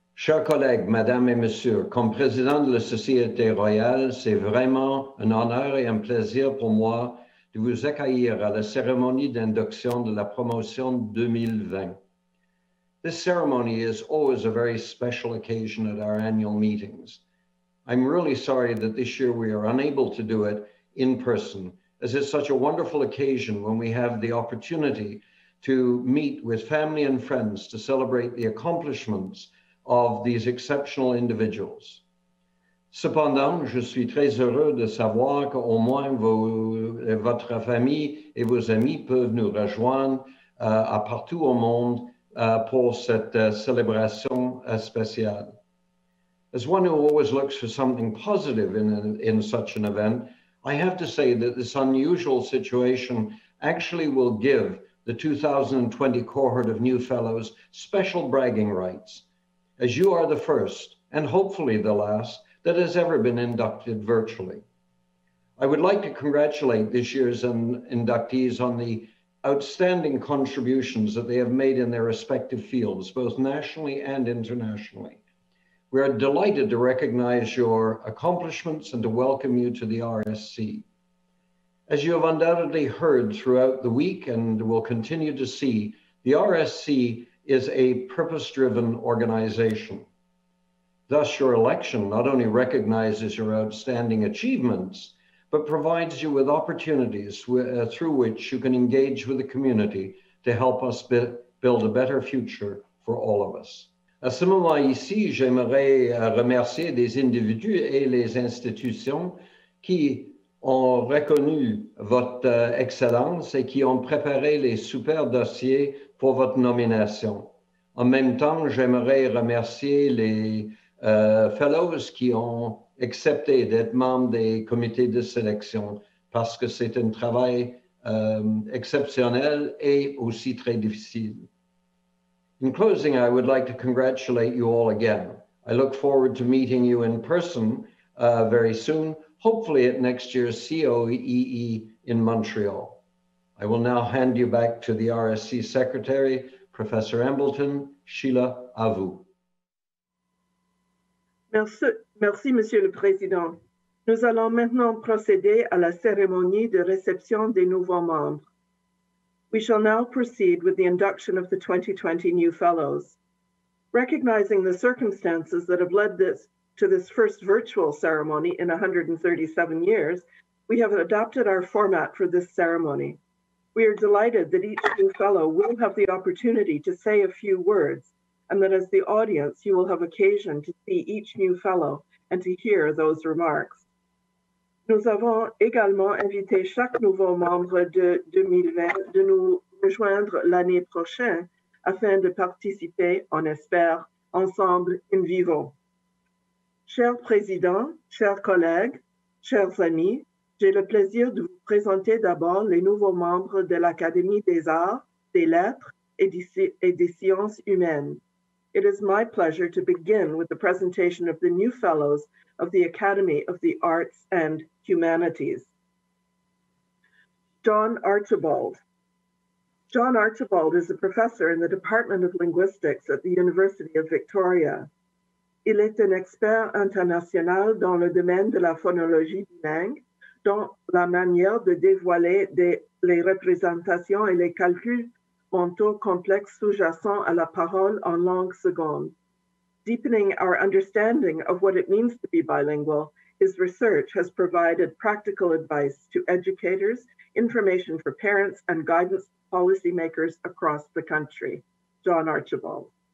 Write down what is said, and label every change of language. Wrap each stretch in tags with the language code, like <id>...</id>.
<fr>Chers collègues, madame et messieurs, comme président de la Société Royale, c'est vraiment un honneur et un plaisir pour moi de vous accueillir à la cérémonie d'induction de la promotion 2020.</fr> <en>This ceremony is always a very special occasion at our annual meetings. I'm really sorry that this year we are unable to do it in person, as it's such a wonderful occasion when we have the opportunity to meet with family and friends to celebrate the accomplishments of these exceptional individuals.</en> <fr>Cependant, je suis très heureux de savoir qu'au moins votre famille et vos amis peuvent nous rejoindre à partout au monde pour cette célébration spéciale.</fr> <en>As one who always looks for something positive in such an event, I have to say that this unusual situation actually will give the 2020 cohort of new fellows special bragging rights, as you are the first, and hopefully the last, that has ever been inducted virtually. I would like to congratulate this year's inductees on the outstanding contributions that they have made in their respective fields, both nationally and internationally. We are delighted to recognize your accomplishments and to welcome you to the RSC. As you have undoubtedly heard throughout the week and will continue to see, the RSC is a purpose-driven organization. Thus, your election not only recognizes your outstanding achievements, but provides you with opportunities through which you can engage with the community to help us build a better future for all of us.</en> <fr>À ce moment ici, j'aimerais remercier les individus et les institutions qui ont reconnu votre excellence et qui ont préparé les super dossiers pour votre nomination. En même temps, j'aimerais remercier les fellows qui ont accepté d'être membres des comités de sélection parce que c'est un travail exceptionnel et aussi très difficile.</fr> <en>In closing, I would like to congratulate you all again. I look forward to meeting you in person very soon, hopefully at next year's COEE in Montreal. I will now hand you back to the RSC Secretary, Professor Hambleton.</en> <fr>Sheila, à vous. Merci, Monsieur le Président. Nous allons maintenant procéder à la cérémonie de réception des nouveaux membres.</fr> <en>We shall now proceed with the induction of the 2020 new fellows. Recognizing the circumstances that have led to this first virtual ceremony in 137 years, we have adapted our format for this ceremony. We are delighted that each new fellow will have the opportunity to say a few words, and that as the audience, you will have occasion to see each new fellow and to hear those remarks.</en> <fr>Nous avons également invité chaque nouveau membre de 2020 de nous rejoindre l'année prochaine afin de participer, on espère, ensemble in vivo. Cher Président, chers collègues, chers amis, j'ai le plaisir de vous présenter d'abord les nouveaux membres de l'Académie des arts, des lettres et des sciences humaines.</fr> <en>it is my pleasure to begin with the presentation of the new fellows of the Academy of the Arts and Humanities. John Archibald. John Archibald is a professor in the Department of Linguistics at the University of Victoria.</en> <fr>Il est un expert international dans le domaine de la phonologie des langues, dans la manière de dévoiler les représentations et les calculs mentaux complexes sous-jacents à la parole en langue seconde.</fr> <en>Deepening our understanding of what it means to be bilingual, his research has provided practical advice to educators, information for parents, and guidance to policymakers across the country. John Archibald.</en>